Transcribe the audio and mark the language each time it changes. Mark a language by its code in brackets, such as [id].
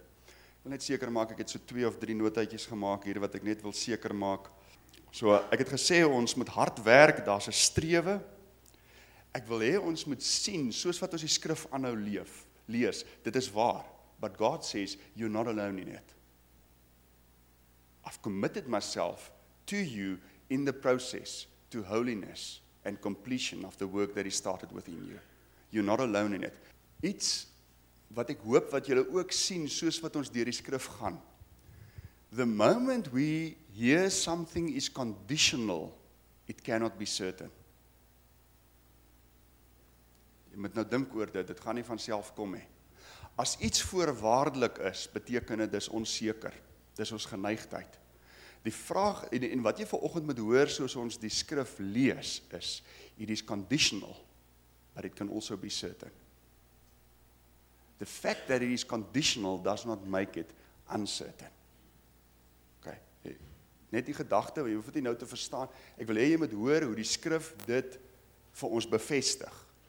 [af] Ek wil net seker maak, ek het so 2 of 3 notaatjies gemaakt hier, wat ek net wil seker maak. So, ek het gesê, ons moet hard werk, daar's 'n strewe. Ek wil hê ons moet sien, soos wat ons die skrif aanhou leef. Lees, dit is waar, [en] but God says, you're not alone in it. I've committed myself to you in the process to holiness and completion of the work that he started within you. You're not alone in it. [af] Iets wat ek hoop wat julle ook sien, soos wat ons deur die skrif gaan. [en] The moment we hear something is conditional, it cannot be certain. [af] Jy moet nou dink oor dit, dit gaan nie vanself kom hê. As iets voorwaardelik is, beteken dit is onseker. Dis ons geneigtheid. Die vraag, en wat jy vanoggend moet hoor soos ons die skrif lees, is, [en] it is conditional, but it can also be certain. The fact that it is conditional does not make it uncertain. [af] Okay, net die gedagte, jy hoef dit nou te verstaan, ek wil hê jy moet hoor hoe die skrif dit vir ons bevestig.